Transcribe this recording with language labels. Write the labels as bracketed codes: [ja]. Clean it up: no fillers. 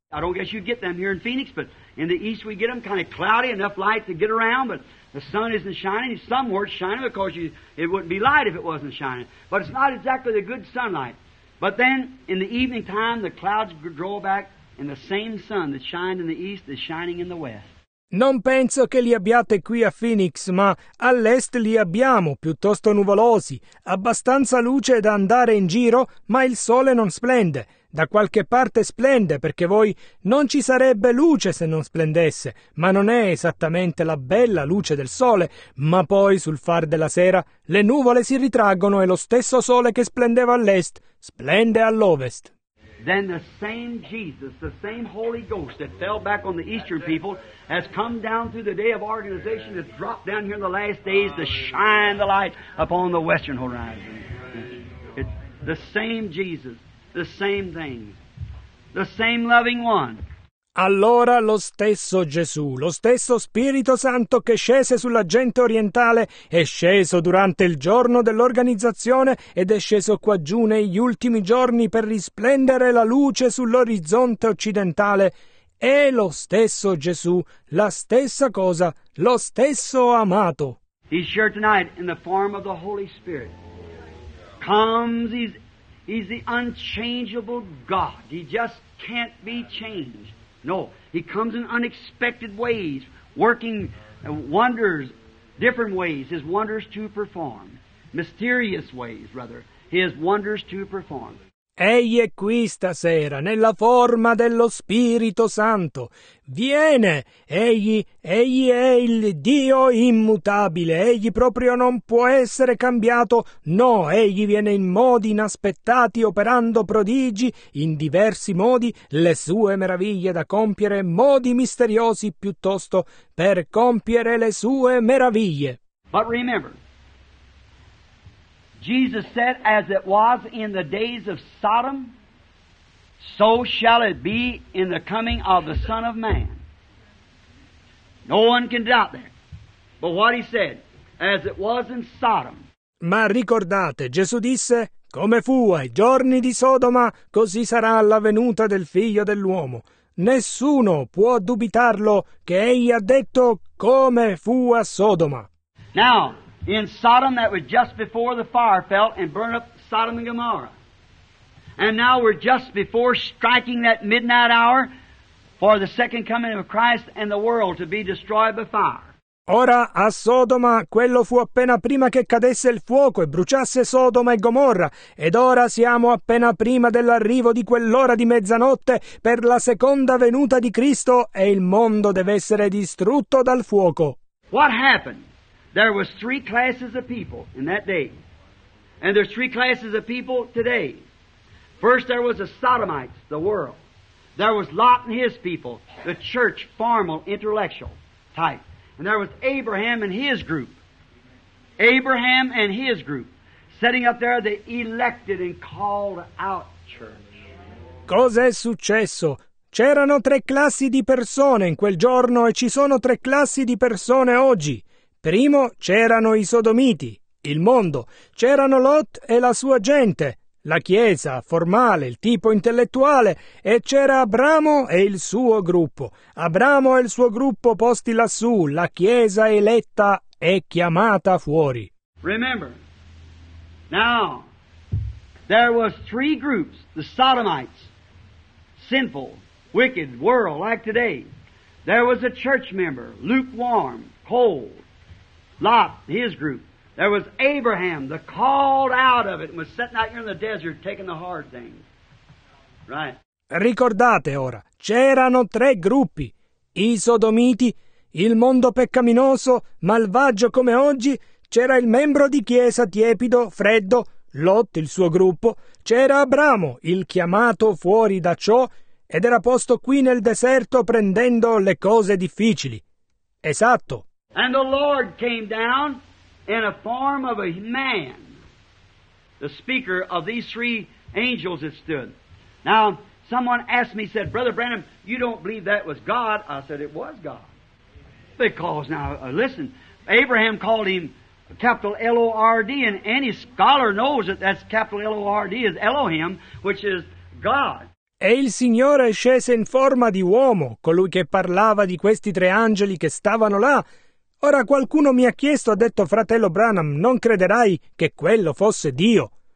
[en] I don't guess you get them here in Phoenix, but in the east we get them kind of cloudy, enough light to get around, but the sun isn't shining. Some were shining because it wouldn't be light if it wasn't shining. But it's not exactly the good sunlight. But then in the evening time the clouds draw back and the same sun that shined in the east is shining in the west. [it] Non penso che li abbiate qui a Phoenix, ma all'est li abbiamo, piuttosto nuvolosi, abbastanza luce da andare in giro, ma il sole non splende. Da qualche parte splende, perché voi non ci sarebbe luce se non splendesse, ma non è esattamente la bella luce del sole, ma poi sul far della sera le nuvole si ritraggono e lo stesso sole che splendeva all'est splende all'ovest. [en] Then the same Jesus, the same Holy Ghost that fell back on the Eastern people has come down through the day of organization, has dropped down here in the last days to shine the light upon the Western horizon. It's the same Jesus, the same thing, the same loving one. [it] Allora lo stesso Gesù, lo stesso Spirito Santo che scese sulla gente orientale, è sceso durante il giorno dell'organizzazione ed è sceso qua giù negli ultimi giorni per risplendere la luce sull'orizzonte occidentale, è lo stesso Gesù, la stessa cosa, lo stesso amato. [en] He's here tonight in the form of the Holy Spirit. Comes, he's the unchangeable God. He just can't be changed. No, he comes in unexpected ways, working wonders, different ways, his wonders to perform. Mysterious ways, rather, his wonders to perform. [it] Egli è qui stasera, nella forma dello Spirito Santo. Viene! Egli è il Dio immutabile. Egli proprio non può essere cambiato. No, egli viene in modi inaspettati, operando prodigi, in diversi modi, le sue meraviglie da compiere, modi misteriosi piuttosto, per compiere le sue meraviglie. [en] But remember, Jesus said, as it was in the days of Sodom, so shall it be in the coming of the Son of Man. No one can doubt that. But what he said, as it was in Sodom. [it] Ma ricordate, Gesù disse, come fu ai giorni di Sodoma, così sarà la venuta del Figlio dell'uomo. Nessuno può dubitarlo che egli ha detto come fu a Sodoma. [en] Now, in Sodom, that was just before the fire fell and burned up Sodom and Gomorrah. And now we're just before striking that midnight hour for the second coming of Christ and the world to be destroyed by fire. [it] Ora a Sodoma, quello fu appena prima che cadesse il fuoco e bruciasse Sodoma e Gomorra. Ed ora siamo appena prima dell'arrivo di quell'ora di mezzanotte per la seconda venuta di Cristo e il mondo deve essere distrutto dal fuoco. [en] What happened? There was three classes of people in that day. And there's three classes of people today. First, there was the Sodomites, the world. There was Lot and his people, the church, formal, intellectual type. And there was Abraham and his group. Abraham and his group, setting up there the elected and called out church. [it] Cos'è successo? C'erano tre classi di persone in quel giorno e ci sono tre classi di persone oggi. Primo c'erano i Sodomiti, il mondo, c'erano Lot e la sua gente, la chiesa, formale, il tipo intellettuale, e c'era Abramo e il suo gruppo. Abramo e il suo gruppo posti lassù, la chiesa eletta e chiamata fuori. [en] Remember, now, there was three groups, the Sodomites, sinful, wicked, world, like today. There was a church member, lukewarm, cold. Lot, his group. There was Abraham, the called out of it, and was sitting out here in the desert taking the hard things. Right. [it] Ricordate ora, c'erano tre gruppi. I sodomiti, il mondo peccaminoso, malvagio come oggi, c'era il membro di chiesa tiepido, freddo, Lot, il suo gruppo, c'era Abramo, il chiamato fuori da ciò, ed era posto qui nel deserto prendendo le cose difficili. Esatto. [en] And the Lord came down in a form of a man, the speaker of these three angels that stood. Now, someone asked me, said, Brother Branham, you don't believe that was God? I said, it was God. Because, now, listen, Abraham called him capital L-O-R-D, and any scholar knows that that's capital L-O-R-D is Elohim, which is God. [it] E il Signore scese in forma di uomo, colui che parlava di questi tre angeli che stavano là. Ora qualcuno mi ha chiesto, ha detto, fratello Branham, non crederai che quello fosse Dio?